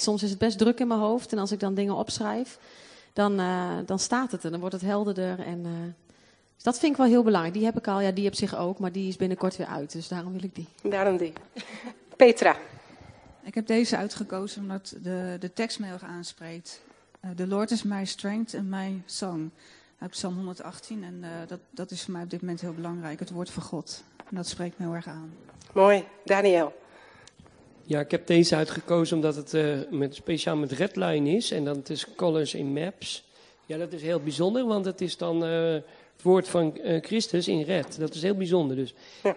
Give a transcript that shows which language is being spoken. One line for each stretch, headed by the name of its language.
Dutch: Soms is het best druk in mijn hoofd. En als ik dan dingen opschrijf, dan staat het. En dan wordt het helderder. Dus dat vind ik wel heel belangrijk. Die heb ik al. Ja, die heb zich ook. Maar die is binnenkort weer uit. Dus daarom wil ik die. Daarom die. Petra. Ik heb deze uitgekozen omdat de tekst mij heel aanspreekt.
English: The Lord is my strength and my song.
Dutch: Uit Psalm 118. En dat is voor mij op dit moment heel belangrijk. Het woord van God. En dat spreekt me heel erg aan. Mooi. Daniel. Ja, ik heb deze uitgekozen omdat het speciaal met Redline is. En dan het is Colors in Maps. Ja, dat is heel bijzonder, want het is dan het woord van Christus in red. Dat is heel bijzonder dus. Ja.